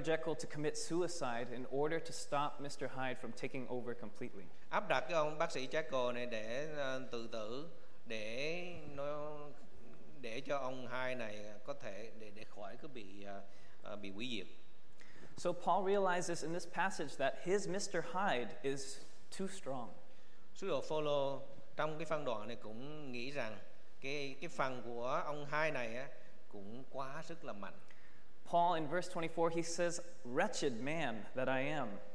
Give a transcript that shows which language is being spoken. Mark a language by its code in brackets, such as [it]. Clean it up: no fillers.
[en] Jekyll to commit suicide in order to stop Mr. Hyde from taking over completely. [vi] Áp đặt cái ông bác sĩ Jekyll này để tự tử, để nó để cho ông Hyde này có thể để khỏi cứ bị hủy diệt. [en] So Paul realizes in this passage that his Mr. Hyde is too strong. [vi] Sứ đồ Phaolô trong cái phân đoạn này cũng nghĩ rằng cái phần của ông Hyde này cũng quá sức là mạnh. [en] Paul in verse 24 he says, "Wretched man that I am."